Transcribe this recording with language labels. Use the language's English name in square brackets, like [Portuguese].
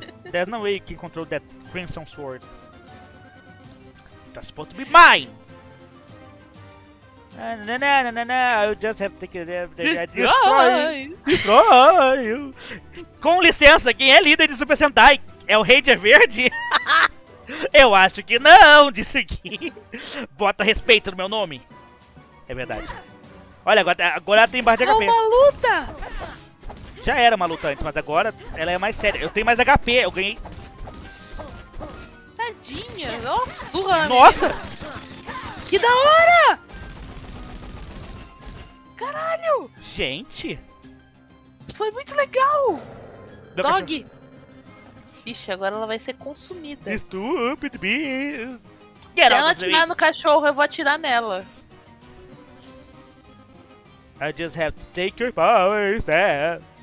[English] There's no way you can control that crimson sword. That's supposed to be mine! I just have to take it destroy you. [Portuguese] Com licença, quem é líder de Super Sentai? É o Ranger Verde? Eu acho que não, disse aqui. Bota respeito no meu nome. É verdade. Olha, agora ela tem barra de HP. É uma luta! Já era uma luta antes, mas agora ela é mais séria. Eu tenho mais HP, eu ganhei. Tadinha, ó, surra. Nossa! Amiga. Que da hora! Caralho! Gente! Isso foi muito legal! Meu Dog! Cachorro. Ixi, agora ela vai ser consumida. [English] Stupid beast! Get [Portuguese] Se ela atirar me. No cachorro, eu vou atirar nela. [English] I just have to take your power instead.